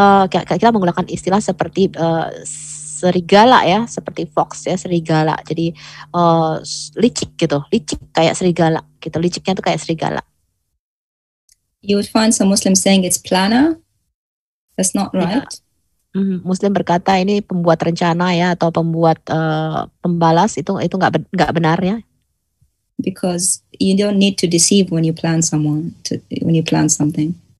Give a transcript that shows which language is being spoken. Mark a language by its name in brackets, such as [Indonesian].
[Indonesian] Kita menggunakan istilah seperti serigala ya, seperti fox ya, serigala. Jadi licik gitu, licik kayak serigala gitu, liciknya itu kayak serigala. [English] You would find some Muslim saying it's planner, that's not right. Yeah. [Indonesian] Muslim berkata ini pembuat rencana ya atau pembuat pembalas itu enggak benar ya. [English] Because you don't need to deceive when you plan someone when you plan something.